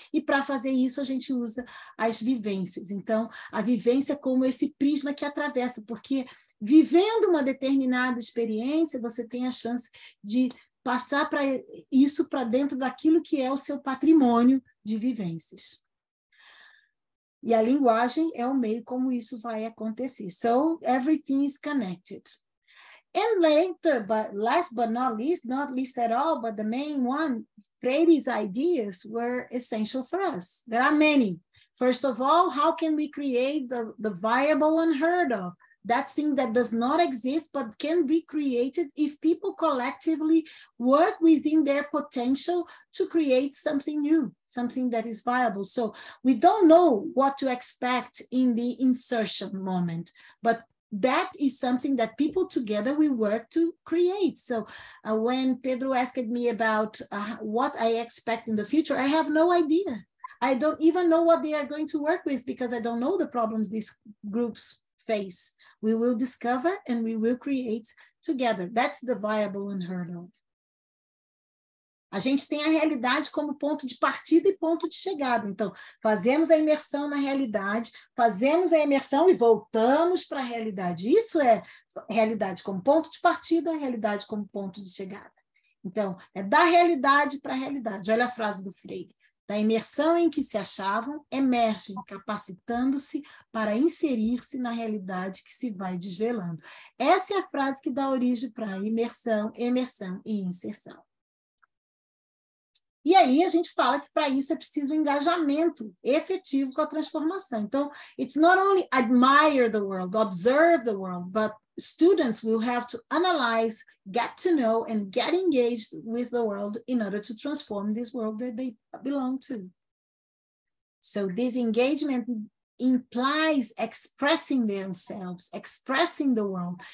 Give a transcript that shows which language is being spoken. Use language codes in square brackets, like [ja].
[pt] E para fazer isso, a gente usa as vivências. Então, a vivência como esse prisma que atravessa, porque vivendo uma determinada experiência, você tem a chance de passar isso para dentro daquilo que é o seu patrimônio de vivências. E a linguagem é o meio como isso vai acontecer. [en] So, everything is connected. And later, but last but not least at all, but the main one, Freire's ideas were essential for us. There are many. First of all, how can we create the viable unheard of? That thing that does not exist, but can be created if people collectively work within their potential to create something new, something that is viable. So we don't know what to expect in the insertion moment, but that is something that people together we work to create. So when Pedro asked me about what I expect in the future, I have no idea. I don't even know what they are going to work with because I don't know the problems these groups face. We will discover and we will create together. That's the viable unheard of. [pt] A gente tem a realidade como ponto de partida e ponto de chegada. Então, fazemos a imersão na realidade, fazemos a imersão e voltamos para a realidade. Isso é realidade como ponto de partida, realidade como ponto de chegada. Então, é da realidade para a realidade. Olha a frase do Freire. Da imersão em que se achavam, emergem, capacitando-se para inserir-se na realidade que se vai desvelando. Essa é a frase que dá origem para imersão, emersão e inserção. E aí a gente fala que para isso é preciso um engajamento efetivo com a transformação. [en] Então, it's not only admire the world, observe the world, but students will have to analyze, get to know, and get engaged with the world in order to transform this world that they belong to. So this engagement implies expressing themselves, expressing the world.